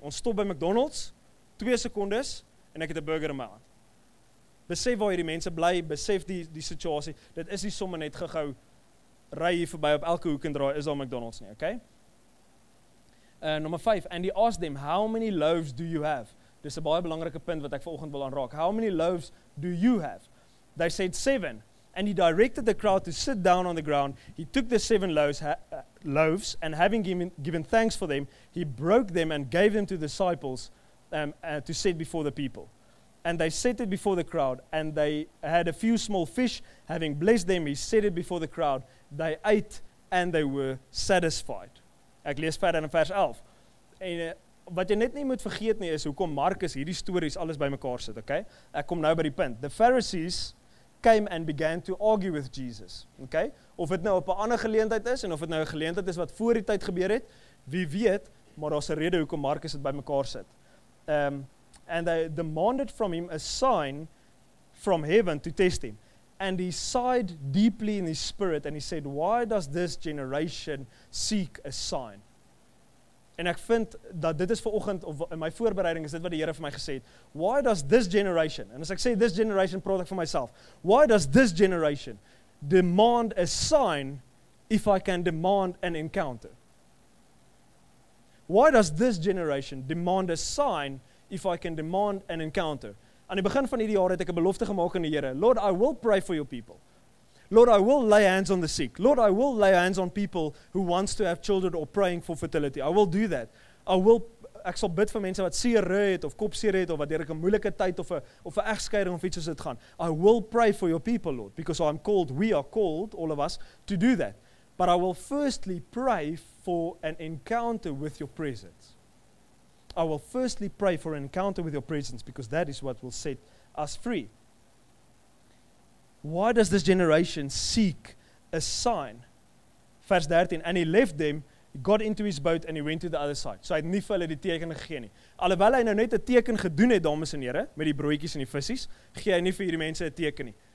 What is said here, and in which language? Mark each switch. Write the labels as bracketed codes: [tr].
[af] Ons stop by McDonald's, 2 sekondes, en ek het 'n burger in my hand. Besef waar hierdie mense bly, besef die situasie, dit is nie sommer net gegou, ry hier voorbij op elke hoek en draai, is al McDonald's nie, okay? Nummer 5, [en] and he asked them, how many loaves do you have? [af] Dit is een baie belangrike punt wat ek volgend wil aanraak. [en] How many loaves do you have? They said 7. And he directed the crowd to sit down on the ground. He took the 7 loaves, loaves and having given thanks for them, he broke them and gave them to the disciples to set before the people. And they set it before the crowd and they had a few small fish. Having blessed them, he set it before the crowd. They ate and they were satisfied. [af] Ek lees verder in vers 11. Wat jy net nie moet vergeet nie is hoekom Markus hierdie stories alles by mekaar sit, okay? Ek kom nou by die punt. [en] The Pharisees came and began to argue with Jesus, okay? [af] Of het nou op 'n ander geleentheid is, en of het nou 'n geleentheid is wat voor die tyd gebeur het, wie weet, maar daar's 'n rede hoekom Markus het by mekaar sit. [en] And they demanded from him a sign from heaven to test him. And he sighed deeply in his spirit, and he said, why does this generation seek a sign? [af] En ek vind dat dit is vanoggend of in my voorbereiding is dit wat die Here vir my gesê het. [en] Why does this generation, and [af] as ek sê [en] this generation product for myself, why does this generation demand a sign if I can demand an encounter? Why does this generation demand a sign if I can demand an encounter? [af] Aan die begin van hierdie jaar het ek 'n belofte gemaak aan die Here. [en] Lord, I will pray for your people. Lord, I will lay hands on the sick. Lord, I will lay hands on people who wants to have children or praying for fertility. I will do that. [af] Ek sal bid vir mense wat seer het of kopseer het of wat deur 'n moeilike tyd of 'n egskeiding of iets soos dit gaan. [en] I will pray for your people, Lord, because I'm called, we are called, all of us, to do that. But I will firstly pray for an encounter with your presence. I will firstly pray for an encounter with your presence because that is what will set us free. Why does this generation seek a sign? [af] Vers 13, [en] and he left them, got into his boat, and he went to the other side. [af] So hy het nie vir hulle die teken gegee nie. Alhoewel hy nou net 'n teken gedoen het, dames en heren, met die broodjies en die vissies, gee hy nie vir hierdie mense 'n teken nie.